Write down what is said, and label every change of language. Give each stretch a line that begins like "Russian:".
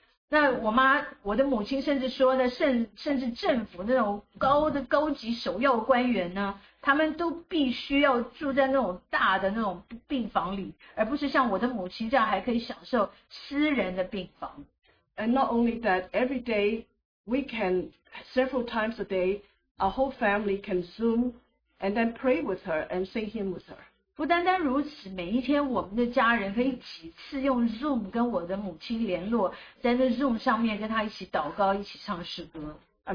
Chinese: 那我妈，我的母亲甚至说呢，甚至政府那种高级首要官员呢，他们都必须要住在那种大的那种病房里，而不是像我的母亲这样还可以享受私人的病房。
English: And not only that, every day we can several times a day, our whole family can Zoom and then pray with her and sing hymn with her.
Chinese: 不单单如此，每一天我们的家人可以几次用 Zoom 跟我的母亲联络，在那 Zoom 上面跟她一起祷告，一起唱诗歌。
English: I